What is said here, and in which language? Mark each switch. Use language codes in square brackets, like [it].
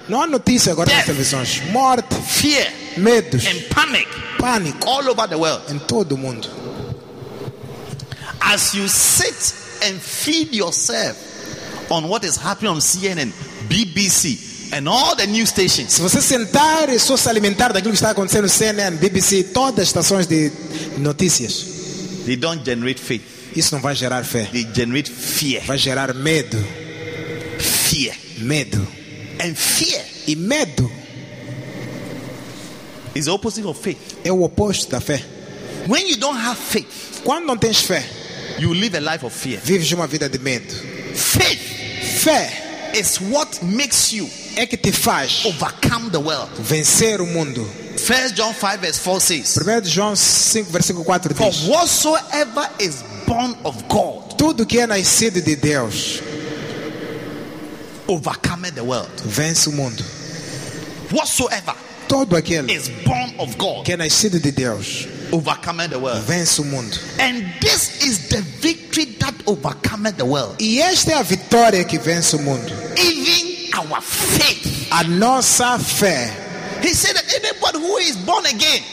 [pt] não há notícia agora nas televisões, morte, [en] fear, [pt] medos, [en] and panic, [pt] pânico, [en] all over the world, [pt] em todo o mundo. [en] As you sit and feed yourself on what is happening on CNN, BBC, and all the news stations. [pt] Se você sentar e só se alimentar daquilo que está acontecendo no CNN, BBC, todas as estações de notícias, [en] they don't generate faith. [pt] Isso não vai gerar fé. [en] They generate fear. [pt] Vai gerar medo. [en] Fear. [pt] Medo. [en] And fear. [pt] E medo. [en] Is the opposite of faith. [pt] É o oposto da fé. [en] When you don't have faith, [pt] quando não tens fé, [en] you live a life of fear. [pt] Vives uma vida de medo. [en] Faith. [pt] Fé. [en] Is what makes you. [pt] É que te faz [en] overcome the world. [pt] Vencer o mundo. [en] 1 John 5 verse 4 says. [pt] 1 João 5 versículo 4 diz. [en] For whatsoever is born of God. [pt] Tudo que é nascido de Deus. [en] Overcome the world. [pt] Vence o mundo. [en] Whatsoever. [pt] Todo aquele [en] is born of God. [pt] Que é nascido de Deus. [en] Overcome the world. [pt] Vence o mundo. [en] And this is the victory that overcomes the world. [pt] E esta é a vitória que vence o mundo. [en] Even our faith. [pt] A nossa fé. [en] He said that anybody who is born again.